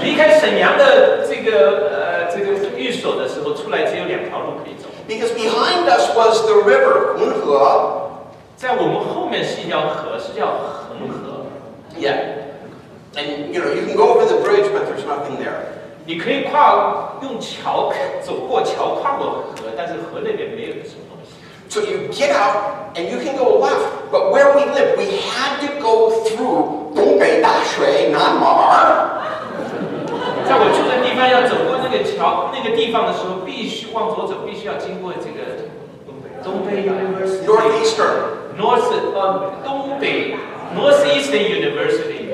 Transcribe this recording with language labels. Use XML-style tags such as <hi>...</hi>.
<zh>离开沈阳的这个寓所的时候，出来只有两条路可以走。</zh> <en>Because behind us was the river 恒河。</en> <zh>在我们后面是一条河，是叫恒河。</zh> <en>Yeah. And you know you can go over the bridge, but there's nothing there.</en> <zh>你可以跨用桥走过桥跨过河，但是河那边没有什么东西。</zh> <en>So you get out and you can go left, but where we live, we had to go through 东北大水南门。</en> <zh>在我住的地方要走过那个桥那个地方的时候，必须往左走，必须要经过这个东北</zh> <en>University, Northeastern, North 东北 Northeastern University.</en>